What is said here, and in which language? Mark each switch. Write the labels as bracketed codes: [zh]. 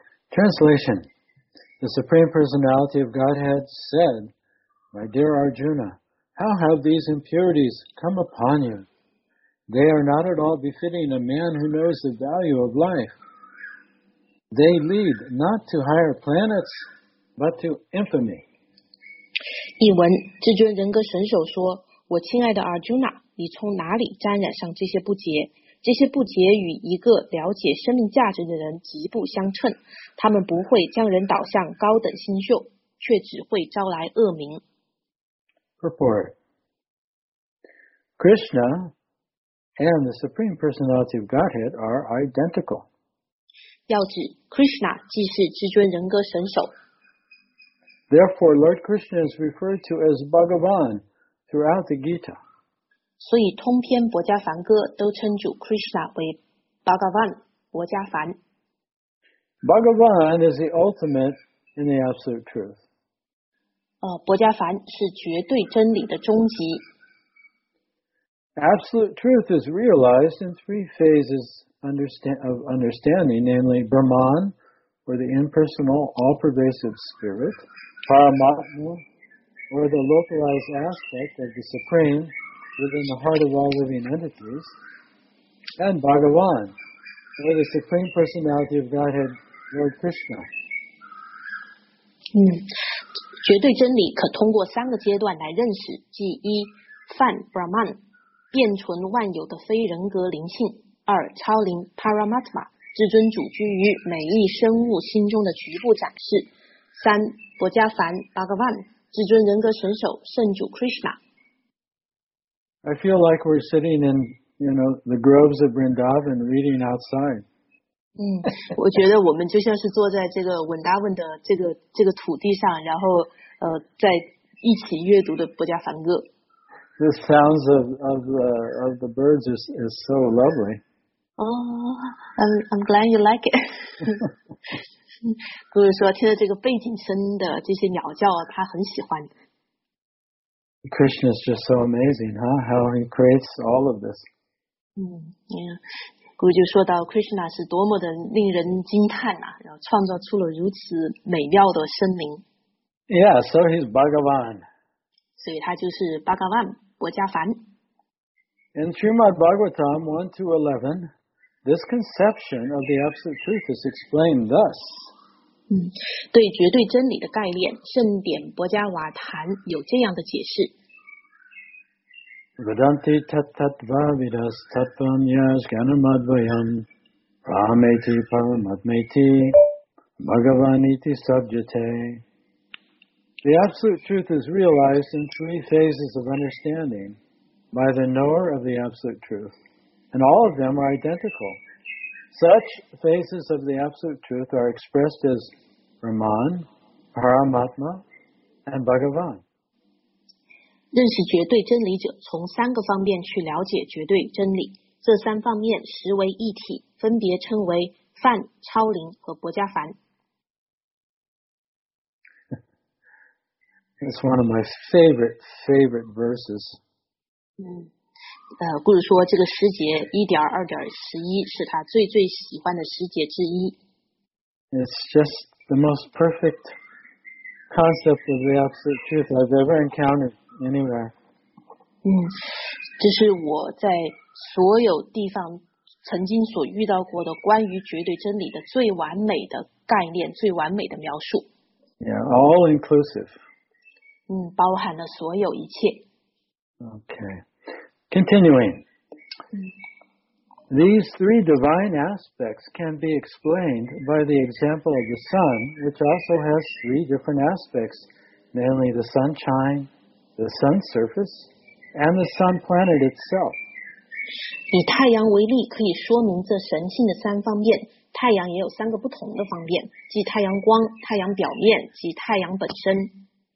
[en] Translation The Supreme Personality of Godhead said, My dear Arjuna, how have these impurities come upon you? They are not at all befitting a man who knows the value of life. They lead not to higher planets, but to infamy. [zh] 译文，至尊人格神首说，我亲爱的 Arjuna, 你从哪里沾染上这些不洁？这些不洁与一个了解生命价值的人极不相称，他们不会将人导向高等新秀，却只会招来恶名。 [en] Purport. Krishna and the Supreme Personality of Godhead are identical. [zh] 要指 Krishna 既是至尊人格神首。 [en] Therefore, Lord Krishna is referred to as Bhagavan throughout the Gita. [zh] 所以通篇薄伽梵歌都称主 Krishna 为 Bhagavan, 薄伽梵。 [en] Bhagavan is the ultimate in the absolute truth. [zh] 薄伽梵是绝对真理的终极。 [en] Absolute truth is realized in three phases of understanding, namely Brahman, or the impersonal, all-pervasive spirit, Paramatma, or the localized aspect of the Supreme,within the heart of all living entities, and Bhagavan, or the Supreme Personality of Godhead, Lord Krishna. [zh] 绝对真理可通过三个阶段来认识，即一，梵 Brahman, 变存万有的非人格灵性；二，超灵 Paramatma, 至尊主居于每一生物心中的局部展示；三，薄伽梵 Bhagavan, 至尊人格神首圣主 Krishna。 [en] I feel like we're sitting in, you know, the groves of Vrindavan reading outside. [zh] 我觉得我们就像是坐在这个 Vrindavan 的这个土地上，然后在一起阅读的薄伽梵歌。 [en] The sounds of the birds is so lovely. Oh, I'm glad you like it. [zh] 各位说，听着这个背景声的这些鸟叫，他很喜欢。 [en] Krishna is just so amazing, huh? How he creates all of this. Yeah. [zh] Guru 就说到 Krishna 是多么的令人惊叹啊，然后创造出了如此美妙的生灵。 [en] Yeah, so he's Bhagavan. [zh] 所以他就是 Bhagavan, 薄伽梵。 [en] In Srimad Bhagavatam 1-11, this conception of the Absolute Truth is explained thus. [zh] 对绝对真理的概念，圣典薄伽瓦坛有这样的解释。 [sa] Vedanti tattva vidas tattvam yas ganamadvayam Brahmeti paramatmeti Bhagavaniti sabjate [en] The absolute truth is realized in three phases of understanding by the knower of the absolute truth, and all of them are identical. Such phases of the absolute truth are expressed as Brahman, Paramatma, and Bhagavan. [zh] 认识绝对真理者从三个方面去了解绝对真理，这三方面实为一体，分别称为梵、超灵和薄伽梵。 [en] It's one of my favorite verses. [zh] 故事说这个十节 1.2.11 是他最喜欢的十节之一。 [en] It's just the most perfect concept of the absolute truth I've ever encountered anywhere. [zh] 这是我在所有地方曾经所遇到过的关于绝对真理的最完美的概念，最完美的描述。 [en] Yeah, all inclusive. [zh] 嗯，包含了所有一切。 [en] Okay, continuing. These three divine aspects can be explained by the example of the sun, which also has three different aspects, namely the sunshine, the sun surface, and the sun planet itself. [zh] 以太阳为例，可以说明这神性的三方面。太阳也有三个不同的方面，即太阳光、太阳表面及太阳本身。